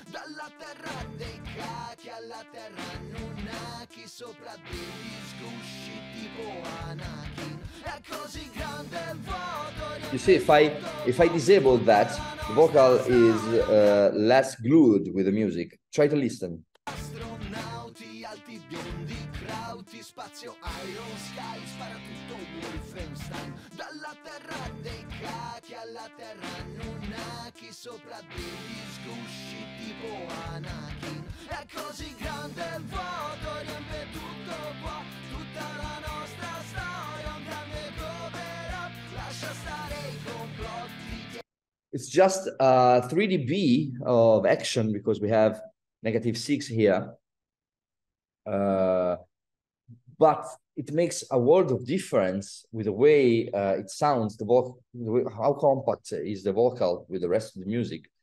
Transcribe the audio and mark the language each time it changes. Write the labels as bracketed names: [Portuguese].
[Italian] Dalla terra dei cacchi alla terra lunacchi, sopra degli sgusci tipo Anakin. È così grande il vuoto. [English] You see, if I disable that, the vocal is less glued with the music. Try to listen. [Italian] Astronauti, alti biondi, crauti, spazio, Iron Sky, spara tutto Wolfenstein. Dalla terra dei cacchi alla terra lunacchi, sopra degli sgusci tipo Anakin. È così grande il vuoto, riempie tutto qua, tutta la nostra storia, un grande cover up, lascia stare i complotti. [English] It's just 3 dB of action because we have -6 here. But it makes a world of difference with the way it sounds, how compact is the vocal with the rest of the music.